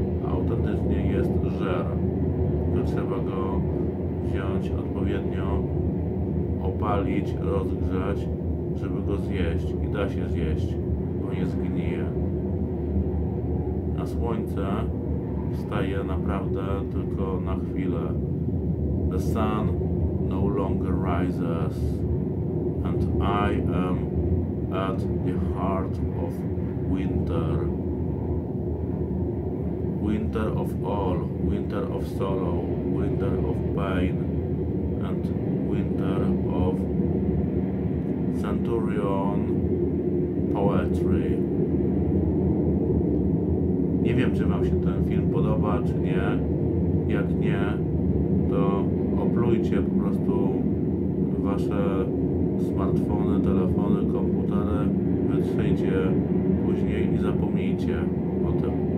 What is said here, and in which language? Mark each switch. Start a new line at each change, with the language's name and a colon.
Polish: Autentycznie jest żer. Tylko trzeba go wziąć odpowiednio, opalić, rozgrzać, żeby go zjeść. I da się zjeść, bo nie zgnije. A słońce wstaje naprawdę tylko na chwilę.
English: The sun no longer rises, and I am at the heart of winter. Winter of all, winter of sorrow, winter of pain, and winter of centurion poetry.
Polish: Nie wiem, czy wam się ten film podoba, czy nie. Jak nie, to oplujcie po prostu wasze smartfony, telefony, komputery, wytrzyjcie później i zapomnijcie o tym.